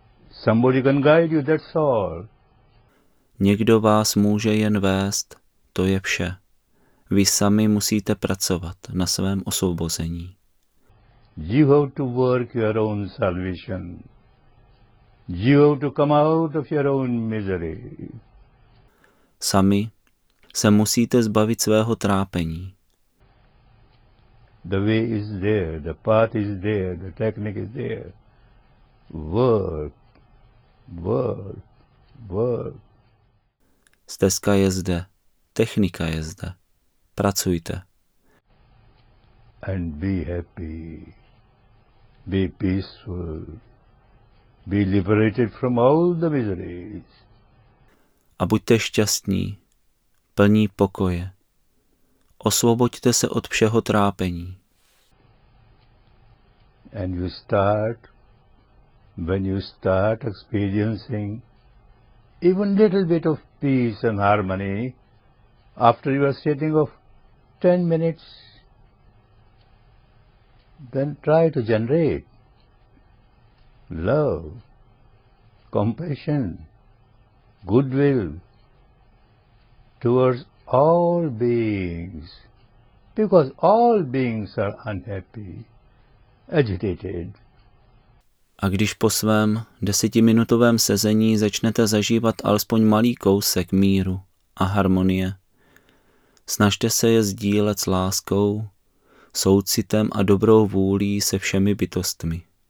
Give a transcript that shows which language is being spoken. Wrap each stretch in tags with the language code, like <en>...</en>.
<en>Somebody can guide you, that's all.</en> <cs>Někdo vás může jen vést, to je vše. Vy sami musíte pracovat na svém osvobození.</cs> <en>You have to work your own salvation. You have to come out of your own misery.</en> <cs>Sami se musíte zbavit svého trápení.</cs> <en>The way is there, the path is there, the technique is there. Work, work, work.</en> <cs>Stezka je zde, technika je zde. Pracujte.</cs> <en>And be happy, be peaceful, be liberated from all the miseries.</en> <cs>a buďte šťastní, plní pokoje. Osvoboďte se od všeho trápení.</cs> <en>And you start, when you start experiencing even little bit of peace and harmony, after your sitting of 10 minutes, then try to generate love, compassion, goodwill towards all beings, because all beings are unhappy, agitated.</en> <cs>A když po svém 10-minutovém sezení začnete zažívat alespoň malý kousek míru a harmonie, snažte se je sdílet s láskou, soucitem a dobrou vůlí se všemi bytostmi.</cs>